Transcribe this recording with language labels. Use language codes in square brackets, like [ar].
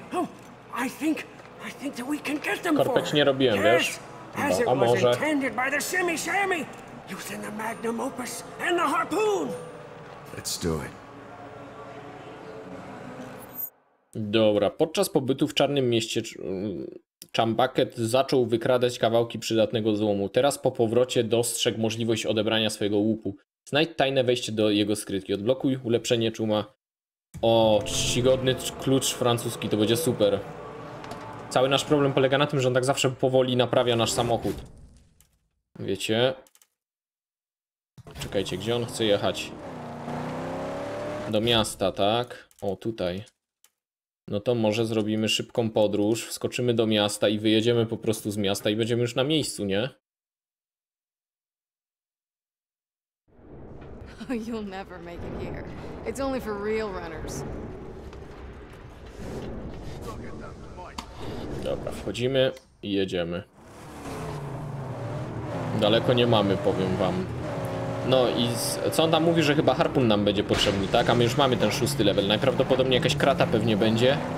[en] Oh, I think that we can get them for [pl] us. Nie robiłem, wiesz? [en] As it was intended by the Shimmy, using the magnum opus and the harpoon. Let's do it. [pl] Dobra, podczas pobytu w Czarnym Mieście Chumbucket zaczął wykradać kawałki przydatnego złomu. Teraz po powrocie dostrzegł możliwość odebrania swojego łupu. Znajdź tajne wejście do jego skrytki. Odblokuj ulepszenie czuma. O, czcigodny klucz francuski, to będzie super. Cały nasz problem polega na tym, że on tak zawsze powoli naprawia nasz samochód. Wiecie? Czekajcie, gdzie on chce jechać? Do miasta, tak? O, tutaj. No to może zrobimy szybką podróż, wskoczymy do miasta i wyjedziemy po prostu z miasta i będziemy już na miejscu, nie? [en] You'll never make it here. It's only for real runners. [pl] Dobra, wchodzimy i jedziemy. Daleko nie mamy, powiem wam. No i co on tam mówi, że chyba harpun nam będzie potrzebny, tak? A my już mamy ten 6 level. Najprawdopodobniej jakaś krata pewnie będzie.